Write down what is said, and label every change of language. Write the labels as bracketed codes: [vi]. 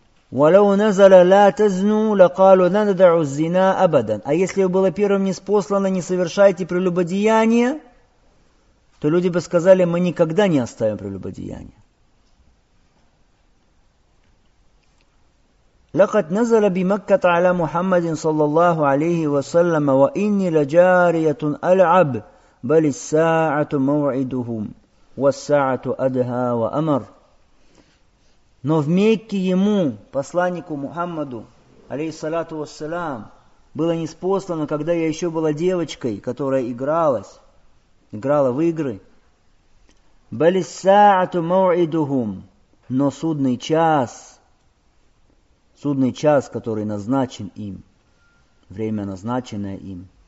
[ar] وَلَوْ نَزَلَ لَا تَزْنُوا لَقَالُوا نَدَعُوا الزِّنَا أَبَدًا. [ru] А если бы было первым ниспослано «не совершайте прелюбодеяние», то люди бы сказали, мы никогда не оставим прелюбодеяние. [ar] لقد نزل بمكة على محمد صلى الله عليه وسلم وإني لجارية ألعب بل الساعة موعدهم والساعة أدهى وأمر. [ru] Но в Мекке ему, посланнику Мухаммаду, алейхиссалату вассалям, было ниспослано, когда я еще была девочкой, которая играла в игры. [ar] بل الساعة موعدهم. [ru] Но судный час, который назначен им, время, назначенное им.